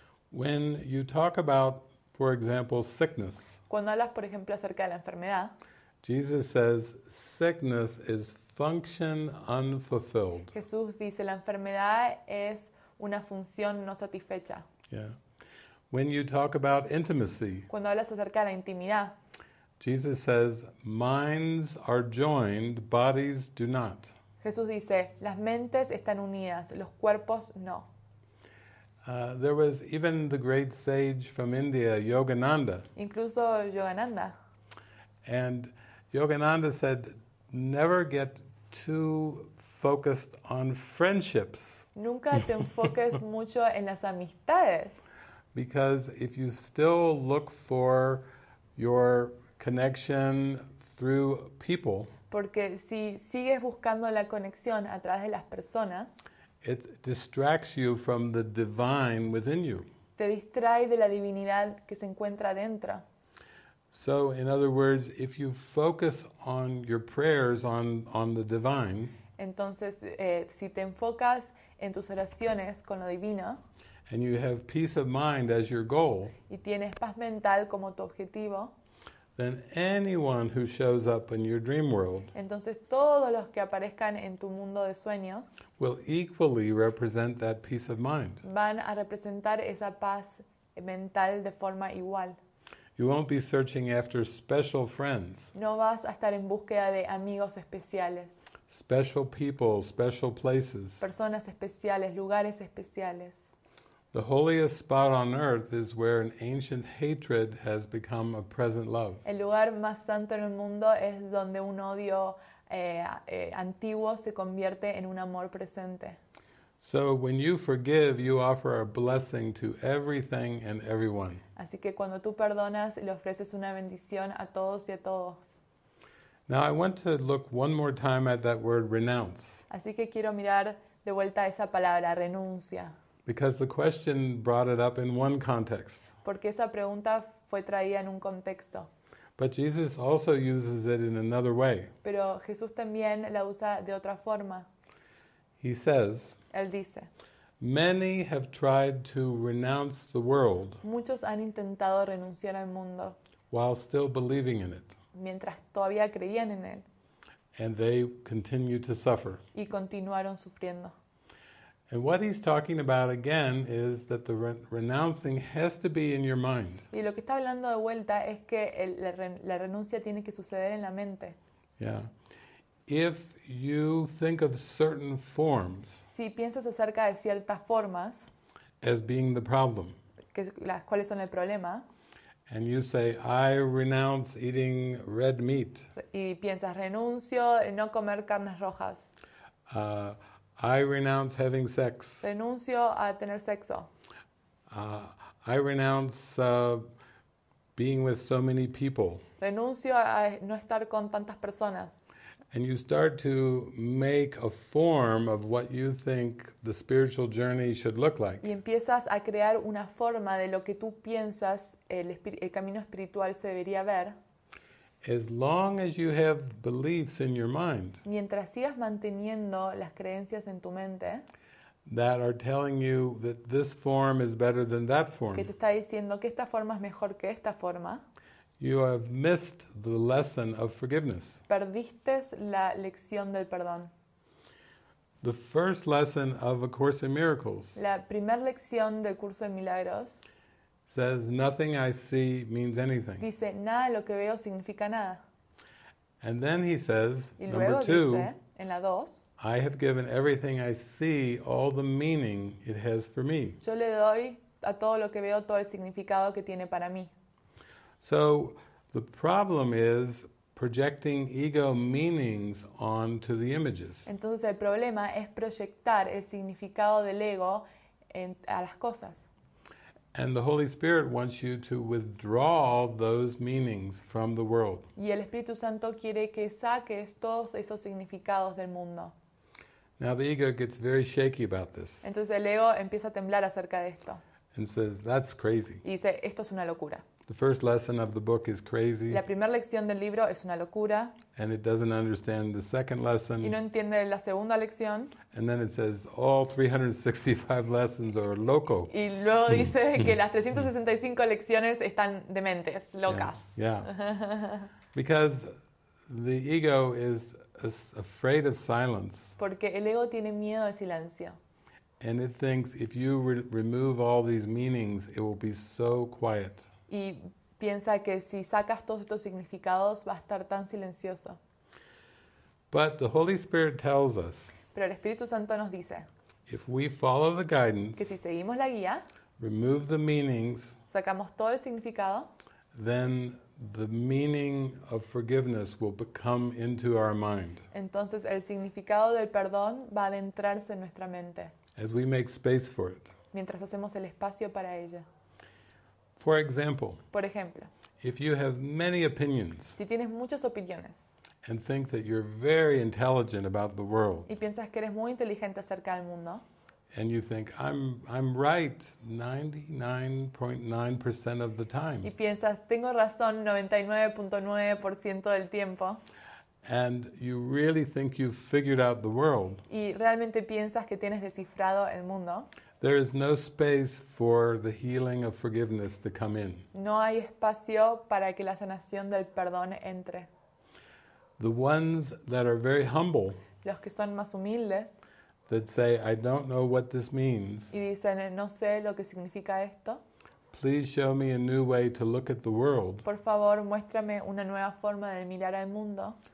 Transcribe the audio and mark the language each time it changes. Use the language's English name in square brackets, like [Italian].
[English] When you talk about, for example, sickness. [Spanish] Cuando hablas, por ejemplo, acerca de la enfermedad, [English] Jesus says, sickness is function unfulfilled. [Spanish] Jesús dice, la enfermedad es una función no satisfecha. [English] Yeah. When you talk about intimacy, [Spanish] cuando hablas acerca de la intimidad, [English] Jesus says, minds are joined, bodies do not. [Spanish] Jesús dice, las mentes están unidas, los cuerpos no. [English] There was even the great sage from India, Yogananda. [Spanish] Incluso Yogananda. [English] And Yogananda said, never get too focused on friendships. [Spanish] Nunca te enfoques mucho en las amistades. [English] Because if you still look for your connection through people, [Spanish] porque si sigues buscando la conexión a través de las personas, [English] it distracts you from the divine within you. [Spanish] Te distrae de la divinidad que se encuentra dentro. [English] So, in other words, if you focus on your prayers on the divine, [Spanish] entonces, si te enfocas en tus oraciones con lo divino, [English] and you have peace of mind as your goal, [Spanish] y tienes paz mental como tu objetivo, [English] then anyone who shows up in your dream world, [Spanish] entonces todos los que aparezcan en tu mundo de sueños, [English] will equally represent that peace of mind. [Spanish] Van a representar esa paz mental de forma igual. [English] You won't be searching after special friends. [Spanish] No vas a estar en búsqueda de amigos especiales. [English] Special people, special places. [Spanish] Personas especiales, lugares especiales. [English] The holiest spot on earth is where an ancient hatred has become a present love. [Spanish] El lugar más santo en el mundo es donde un odio antiguo se convierte en un amor presente. [English] So when you forgive, you offer a blessing to everything and everyone. [Spanish] Así que cuando tú perdonas, le ofreces una bendición a todos y a todos. [English] Now I want to look one more time at that word renounce. [Spanish] Así que quiero mirar de vuelta esa palabra renuncia. [English] Because the question brought it up in one context. [Spanish] Porque esa pregunta fue traída en un contexto. [English] But Jesus also uses it in another way. [Spanish] Pero Jesús también la usa de otra forma. [English] He says, [Spanish] él dice, [English] many have tried to renounce the world, [Spanish] muchos han intentado renunciar al mundo, [English] while still believing in it, [Spanish] mientras todavía creían en él, [English] and they continue to suffer, [Spanish] y continuaron sufriendo. [English] And what he's talking about again is that the renouncing has to be in your mind. [Spanish] Y lo que está hablando de vuelta es que la renuncia tiene que suceder en la mente. [English] Yeah. If you think of certain forms, [Spanish] si piensas acerca de ciertas formas, [English] as being the problem, [Spanish] las cuales son el problema, [English] And you say, I renounce eating red meat. [Spanish] Y piensas, renuncio a no comer carnes rojas. [English] I renounce having sex. [Spanish] Renuncio a tener sexo. [English] I renounce being with so many people. [Spanish] Renuncio a no estar con tantas personas. [English] And you start to make a form of what you think the spiritual journey should look like. [Spanish] Y empiezas a crear una forma de lo que tú piensas el camino espiritual se debería ver. [English] As long as you have beliefs in your mind. [Spanish] Mientras sigas manteniendo las creencias en tu mente. [English] That are telling you that this form is better than that form. [Spanish] Que te está diciendo que esta forma es mejor que esta forma. [English] You have missed the lesson of forgiveness. [Spanish] Perdiste la lección del perdón. [English] The first lesson of A Course in Miracles. [Spanish] La primera lección del curso de milagros. [English] Says nothing I see means anything. [Spanish] Dice nada lo que veo significa nada. [English] And then he says, [Spanish] y luego [English] number two. [Spanish] Dice, en la dos. [English] I have given everything I see all the meaning it has for me. [Spanish] Yo le doy a todo lo que veo todo el significado que tiene para mí. [English] So the problem is projecting ego meanings onto the images. [Spanish] Entonces el problema es proyectar el significado del ego a las cosas. [English] And the Holy Spirit wants you to withdraw those meanings from the world. [Spanish] Y el Espíritu Santo quiere que saques todos esos significados del mundo. [English] Now the ego gets very shaky about this. [Spanish] Entonces el ego empieza a temblar acerca de esto. [English] And says, that's crazy. [Spanish] Y dice, esto es una locura. [English] The first lesson of the book is crazy. [Spanish] La primera lección del libro es una locura. [English] And it doesn't understand the second lesson. [Spanish] Y no entiende la segunda lección. [English] And then it says all 365 lessons are loco. [Spanish] Y luego dice que las 365 lecciones están dementes, locas. [English] Yeah. Yeah. Because the ego is afraid of silence. [Spanish] Porque el ego tiene miedo al silencio. [English] And it thinks if you remove all these meanings, it will be so quiet. [Spanish] Y piensa que si sacas todos estos significados va a estar tan silencioso. [English] But the Holy Spirit tells us. [Spanish] Pero el Espíritu Santo nos dice. [English] If we follow the guidance. [Spanish] Que si seguimos la guía. [English] Remove the meanings. [Spanish] Sacamos todo el significado. [English] Then the meaning of forgiveness will become into our mind. [Spanish] Entonces el significado del perdón va a adentrarse en nuestra mente. [English] As we make space for it. [Spanish] Mientras hacemos el espacio para ella. [English] For example, [Spanish] por ejemplo, [English] if you have many opinions, [Spanish] si tienes muchas opiniones, [English] and think that you're very intelligent about the world, [Spanish] y piensas que eres muy inteligente acerca del mundo, [English] and you think I'm right 99.9% of the time, [Spanish] y piensas tengo razón 99.9% del tiempo, [English] and you really think you've figured out the world, [Spanish] y realmente piensas que tienes descifrado el mundo. [English] There is no space for the healing of forgiveness to come in. [Spanish] No hay espacio para que la sanación del perdón entre. [English] The ones that are very humble. [Spanish] Los que son más humildes. [English] That say, I don't know what this means. [Spanish] Y dicen, no sé lo que significa esto. [English] Please show me a new way to look at the world. [Spanish] Por favor, muéstrame una nueva forma de mirar al mundo.